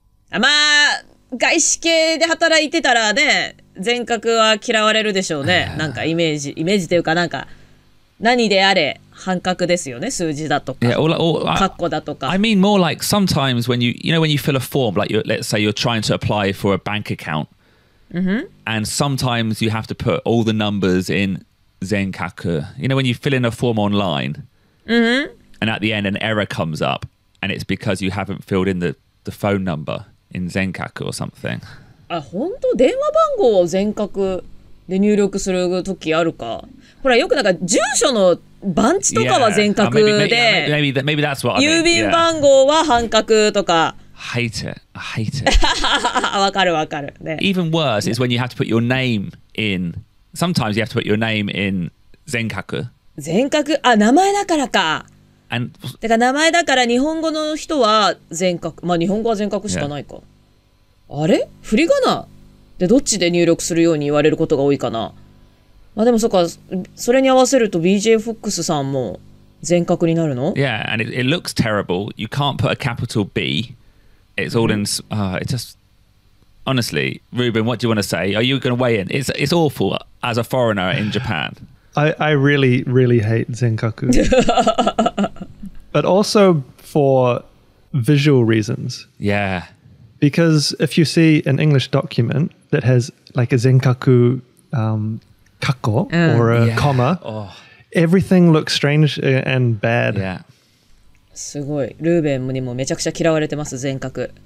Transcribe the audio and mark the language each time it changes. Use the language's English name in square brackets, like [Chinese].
[Japanese] あ、まあ外資系で働いてたらね、全角は嫌われるでしょうね。なんかイメージというか、なんか何であれ半角ですよね。数字だとか、括弧だとか。 [English] I mean more like sometimes when you know when you fill a form, like you, let's say you're trying to apply for a bank account. And sometimes you have to put all the numbers in 全角. You know, when you fill in a form online, and at the end an error comes up, and it's because you haven't filled in the phone number in 全角 or something. [Japanese] あ、本当? 電話番号を全角で入力する時あるか? ほら、よくなんか住所の番地とかは全角で、 [English] maybe that's what I mean. [Japanese] 郵便番号は半角とか。 [English] I hate it. [Japanese] わかるわかる、ね、 [English] Even worse is when you have to put your name in. Sometimes you have to put your name in 全角。 [Japanese] 全角、あ、名前だからか。 [English] And [Japanese] てか名前だから日本語の人は全角。まあ日本語は全角しかないか。 Yeah. あれ？振り仮名でどっちで入力するように言われることが多いかな。まあでもそっか、それに合わせると BJ Fox さんも全角になるの [English] ？Yeah, and it looks terrible. You can't put a capital B. It's all in. It just honestly, Ruben, what do you want to say? Are you going to weigh in? It's awful as a foreigner in Japan. I really, really hate 全角.But also for visual reasons. Yeah. Because if you see an English document that has like a 全角 kakko or a comma, everything looks strange and bad. Yeah. [Japanese] すごい。ルーベンにもめちゃくちゃ嫌われてます、全角。